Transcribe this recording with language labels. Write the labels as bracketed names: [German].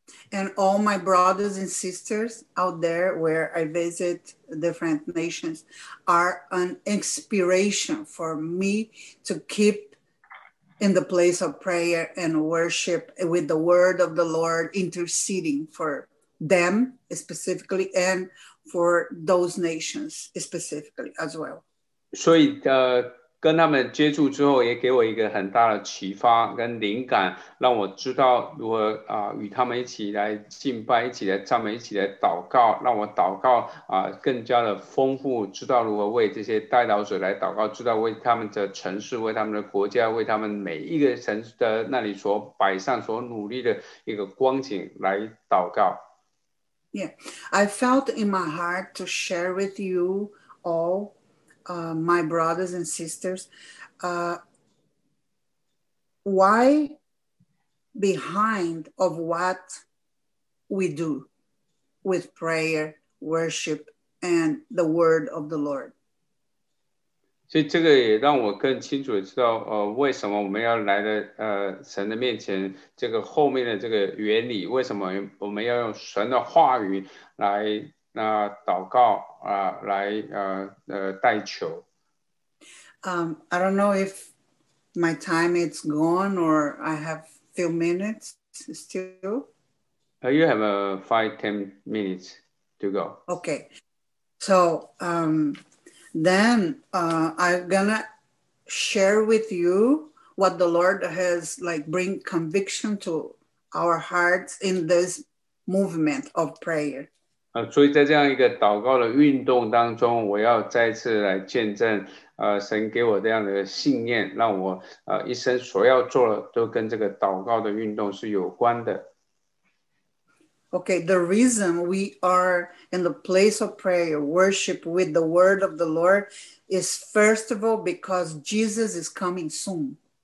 [English] And all my brothers and sisters out there where I visit different nations are an inspiration for me to keep in the place of prayer and worship with the word of the Lord interceding for them specifically and for those nations specifically as well. [Chinese] 所以, 跟他们接触之后也给我一个很大的启发跟灵感, 让我知道如何, 与他们一起来敬拜, 一起来赞美, 一起来祷告, 让我祷告, 更加的丰富, 知道如何为这些代祷者来祷告, 知道为他们的城市, 为他们的国家, 为他们每一个城市的那里所摆上所努力的一个光景来祷告。 [English] Yeah, I felt in my heart to share with you all, my brothers and sisters, why behind of what we do with prayer, worship, and the word of the Lord. [Chinese] 所以这个也让我更清楚地知道, 为什么我们要来的, 神的面前, 这个后面的这个原理, 为什么我们要用神的话语来, 祷告, 来, 代求。 [English] I don't know if my time is gone or I have a few minutes still. You have a 5-10 minutes to go. Okay. So then I'm gonna share with you what the Lord has like bring conviction to our hearts in this movement of prayer. [Chinese] 所以在这样一个祷告的运动当中, 我要再次来见证, 神给我这样的信念, 让我, 一生所要做的都跟这个祷告的运动是有关的。 [English] Okay, the reason we are in the place of prayer, worship with the word of the Lord, is first of all because Jesus is coming soon.